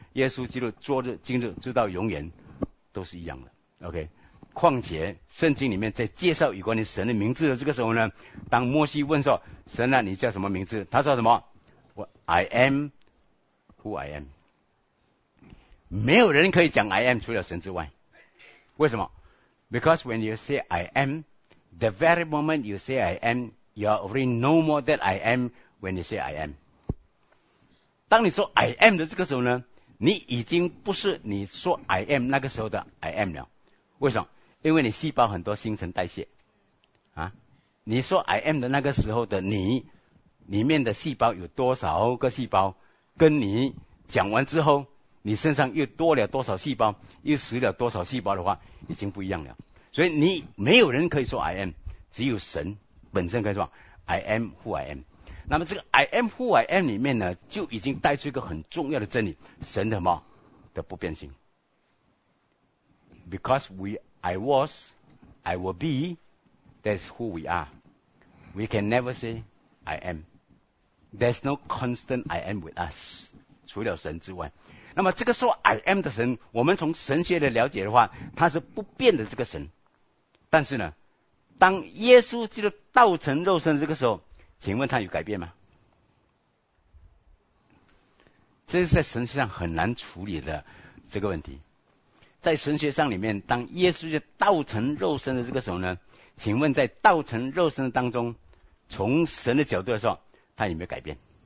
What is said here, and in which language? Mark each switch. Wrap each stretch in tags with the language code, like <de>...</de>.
<zh>耶稣基督昨日今日直到永远都是一样的。 OK， 况且圣经里面在介绍有关于神的名字的这个时候呢，当摩西问说，神啊你叫什么名字，他说什么？我</zh> <en>I am who I am。</en> <zh>没有人可以讲</zh> <en>I am</en> <zh>除了神之外。为什么？</zh> <en>Because when you say I am, the very moment you say I am, you are already no more than I am when you say I am.</en> <zh>当你说</zh> <en>I am</en> <zh>的这个时候呢，你已经不是你说 I am 那个时候的 I am 了。为什么？因为你细胞很多新陈代谢啊。你说</zh> <en>I am</en> <zh>的那个时候的你，里面的细胞有多少个细胞，跟你讲完之后你身上又多了多少细胞，又死了多少细胞的话，已经不一样了。所以你没有人可以说</zh> <en>I am，</en> <zh>只有神本身可以说</zh> <en>I am who I am。</en> <zh>那么这个</zh> <en>I am who I am</en> <zh>里面呢，就已经带出一个很重要的真理，神的什么的不变性。</zh> <en>Because we I was I will be, that's who we are. We can never say I am. There's no constant I am with us</en> <zh>除了神之外。那么这个说</zh> <en>I am</en> <zh>的神，我们从神学的了解的话，他是不变的这个神。但是呢，当耶稣基督道成肉身这个时候，请问他有改变吗？这是在神学上很难处理的这个问题。在神学上里面，当耶稣基督道成肉身的这个时候呢，请问在道成肉身当中，从神的角度来说，他有没有改变？</zh>